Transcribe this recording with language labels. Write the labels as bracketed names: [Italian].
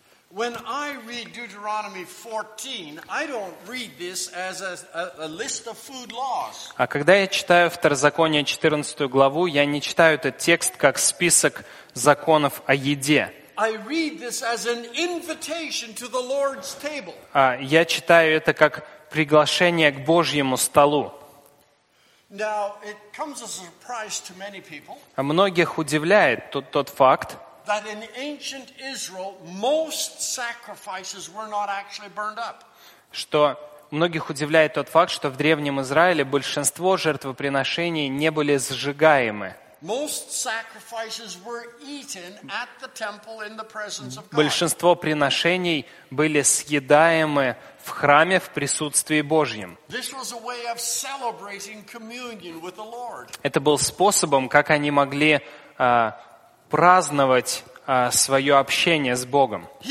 [English] When I read Deuteronomy 14, I don't read this as a list of food laws. [Russian] А когда я читаю Второзаконие 14 главу, я не читаю этот текст как список законов о еде. [English] I read this as an invitation to the Lord's table. [Russian] А я читаю это как приглашение к Божьему столу. [English] Now, it comes as a surprise to many people. [Russian] А многих удивляет тот факт, [English] that in ancient Israel most sacrifices were not actually burned up. [Russian] Что многих удивляет тот факт, что в древнем Израиле большинство жертвоприношений не были сжигаемы. [English] Most sacrifices were eaten at the temple in the presence of God. [Russian] Большинство приношений были съедаемы в храме в присутствии Божьем. [English] This was a way of celebrating communion with the Lord. [Russian] Это был способом, как они могли праздновать свое общение с Богом.